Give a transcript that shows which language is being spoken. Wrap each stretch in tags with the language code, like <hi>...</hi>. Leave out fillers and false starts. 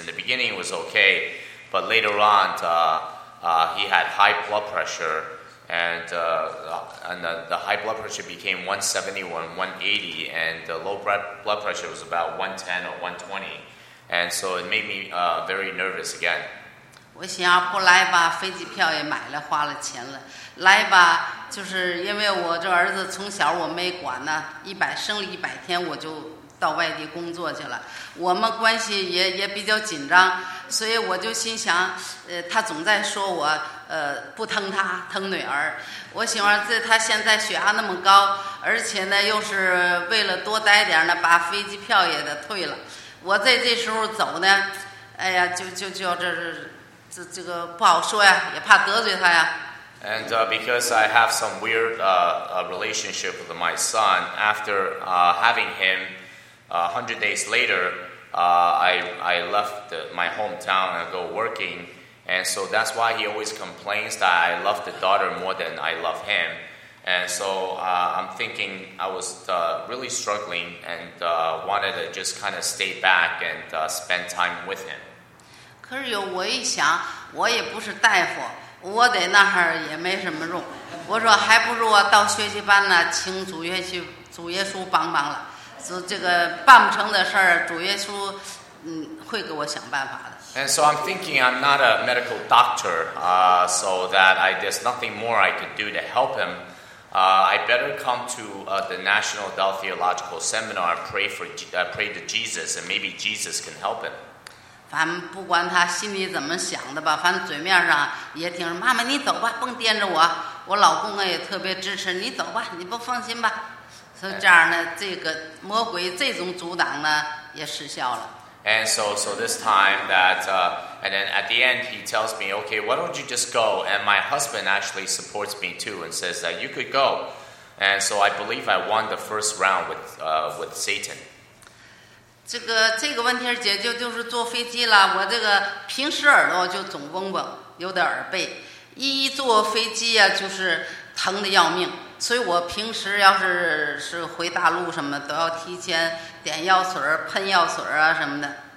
<en>In the beginning, it was okay, but later on, he had high blood pressure, and the high blood pressure became 171, 180, and the low blood pressure was about 110 or 120. And so it made me very nervous again.</en> <zh>我想要不来吧，飞机票也买了，花了钱了。来吧，就是因为我这儿子从小我没管呢，生了100天我就到外地工作去了。我们关系也比较紧张，所以我就心想，他总在说我不疼他，疼女儿。我喜欢这他现在血压那么高，而且呢又是为了多待点呢，把飞机票也得退了。我在这时候走呢，哎呀，就这是。这个不好说呀，也怕得罪他呀。</zh> <en>And because I have some weird relationship with my son, after having him 100 days later, I left my hometown and go working. And so that's why he always complains that I love the daughter more than I love him. And so I'm thinking I was really struggling and wanted to just kind of stay back and spend time with him.</en> <zh>可是有我一想，我也不是大夫，我在那儿也没什么用。我说还不如我到学习班呢，请主耶稣帮帮了。所以这个办不成的事儿，主耶稣会给我想办法的。</zh> <en>And so I'm thinking I'm not a medical doctor, so that there's nothing more I could do to help him. I better come to the National Adult Theological Seminar, pray to Jesus, and maybe Jesus can help him.</en> <zh>反正不管他心里怎么想的吧，反正嘴面上也挺说妈妈你走吧，甭惦着我，我老公也特别支持你走吧，你不放心吧，所以这样呢，这个魔鬼这种阻挡呢也失效了。</zh> <en>And so this time that and then at the end he tells me, okay, why don't you just go, and my husband actually supports me too and says that you could go, and so I believe I won the first round with Satan.</en> <zh>这个问题解决就是坐飞机了。我这个平时耳朵就总嗡嗡，有点耳背，一坐飞机呀、啊、就是疼得要命。所以我平时要是回大陆什么，都要提前点药水、喷药水啊什么的。</zh>